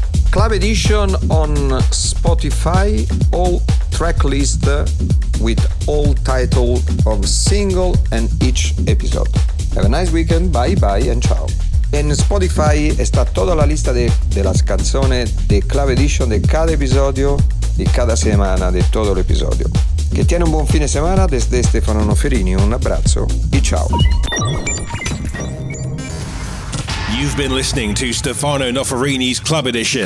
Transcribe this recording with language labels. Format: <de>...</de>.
<en>Club Edition on Spotify, all track list with all title of single and each episode. Have a nice weekend, bye bye and ciao.</en> <es>En Spotify está toda la lista de las canciones de Club Edition de cada episodio y cada semana de todo el episodio. Que tiene un buen fin de semana desde Stefano Noferini. Un abrazo y ciao.</es> <en>You've been listening to Stefano Noferini's Club Edition.</en>